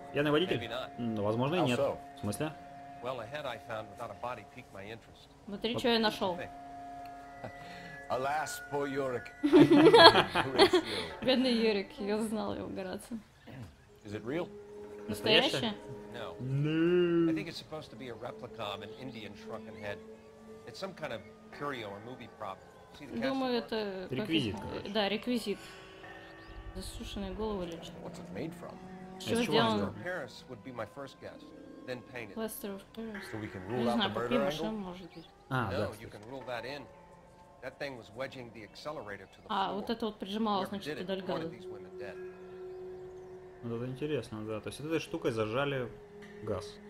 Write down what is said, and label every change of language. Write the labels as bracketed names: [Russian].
[Russian] Пьяный водитель? Ну, возможно, и нет. [English] So? [Russian] В смысле? [English] Well, ahead I found without a body piqued my interest. [Russian] Смотри, что я нашел. [English] Alas, poor Yurik. [Russian] Бедный Юрик, я знал его гораться. [English] Is it real? [Russian] Настоящее? [English] No. I think it's supposed to be a replica of an Indian shrunken head. It's some kind of curio or movie prop. See the castle. [Russian] Думаю, это реквизит. Да, реквизит. Засушенная голова или что? [English] What's it made from? [Russian] Что сделано? [English] Plaster of Paris would be my first guess. Then paint it. Plaster of Paris. So we can rule out the murder angle. [Russian] Не знаю, попимешь, может быть. А, да. [English] No, you can rule that in. That thing was wedging the accelerator to the floor. [Russian] А, вот это вот прижимало, значит, это Дальгадо. Ну, это интересно, да. То есть этой штукой зажали газ.